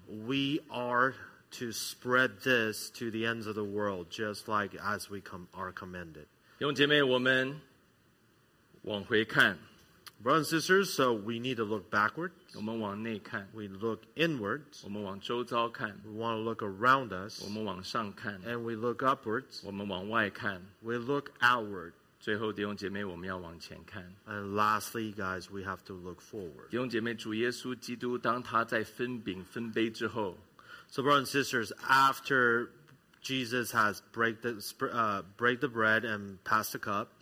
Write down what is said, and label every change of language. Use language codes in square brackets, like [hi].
[en] We are to spread this to the ends of the world, just like as we are commended. [zh] 弟兄姐妹，我们往回看。 [en] Brothers and sisters, so we need to look backward. [zh] 我们往内看。 [en] We look inwards. [zh] 我们往周遭看。 [en] We want to look around us. [zh] 我们往上看。 [en] And we look upwards. [zh] 我们往外看。 [en] We look outward. [zh] 最后，弟兄姐妹，我们要往前看。 [en] And lastly, guys, we have to look forward. [zh] 弟兄姐妹，主耶稣基督当他在分饼分杯之后。 [en] So brothers and sisters, after Jesus has break the bread and passed the cup,